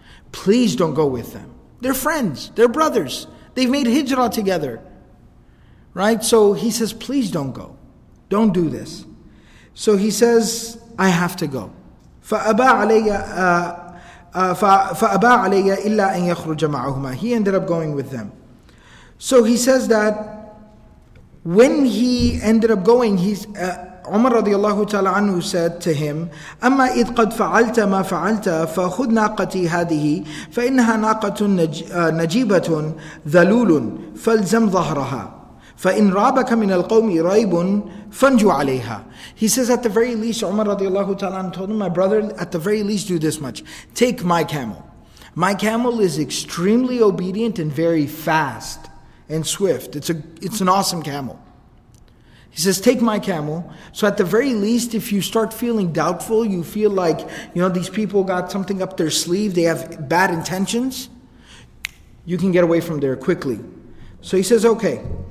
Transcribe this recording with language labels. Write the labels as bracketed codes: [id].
[en] Please don't go with them. They're friends. They're brothers. They've made hijrah together. Right? So he says, please don't go. Don't do this. So he says, I have to go. [ar] فَأَبَى عَلَيَّ إِلَّا أَن يَخْرُجَ مَعَهُمَا. [en] He ended up going with them. So he says that when he ended up going, Umar radiallahu ta'ala anhu said to him, [ar] أَمَّا إِذْ قَدْ فَعَلْتَ مَا فَعَلْتَ فَخُذْ نَاقَتِي هَذِهِ فَإِنَّهَا نَاقَةٌ نَجِيبَةٌ ذَلُولٌ فَالْزَمْ ظَهْرَهَا فَإِنْ رَابَكَ مِنَ الْقَوْمِ رَيْبٌ فَنْجُوا عَلَيْهَا. [en] He says, at the very least, Umar radiallahu ta'ala anhu told him, my brother, at the very least do this much. Take my camel. My camel is extremely obedient and very fast and swift. It's an awesome camel. He says, take my camel. So at the very least, if you start feeling doubtful, you feel like, you know, these people got something up their sleeve, they have bad intentions, you can get away from there quickly. So he says, okay.